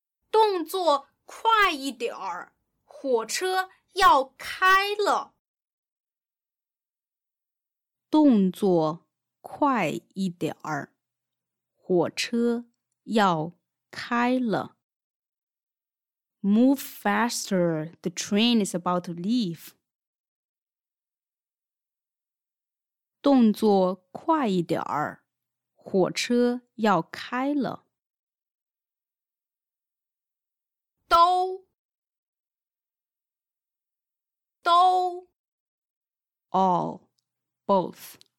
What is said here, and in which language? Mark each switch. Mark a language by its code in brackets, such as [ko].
[zh] 动作快一点儿，火车要开了。动作快一点儿，火车要开了。 [en] Move faster, the train is about to leave. [zh] 动作快一点儿，火车要开了。兜，兜 [en] ，all, both。